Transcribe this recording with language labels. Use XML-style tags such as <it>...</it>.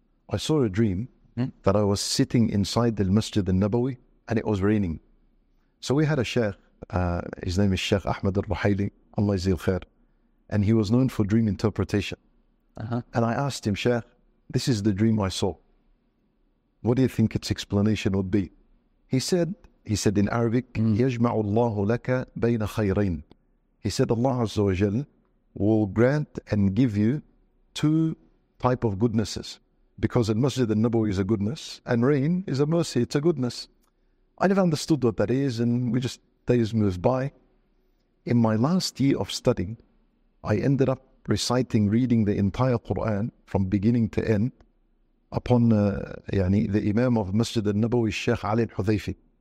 <en>I saw a dream that I was sitting inside the Masjid al-Nabawi, and it was raining. So we had a sheikh, his name is Sheikh Ahmed al-Ruhayli, Allah Izzil Khair, and he was known for dream interpretation. And I asked him, Sheikh, this is the dream I saw. What do you think its explanation would be? He said in Arabic,</en> <ar>يَجْمَعُ اللَّهُ لَكَ بَيْنَ خَيْرَيْنَ.</ar> <en>He said, Allah Azza wa Jal will grant and give you two type of goodnesses. Because in Masjid al-Nabawi is a goodness, and rain is a mercy, it's a goodness. I never understood what that is, and we just, days moved by. In my last year of studying, I ended up reciting, reading the entire Quran from beginning to end upon the Imam of Masjid al-Nabawi, Sheikh Ali al-Hudhayfi.</en>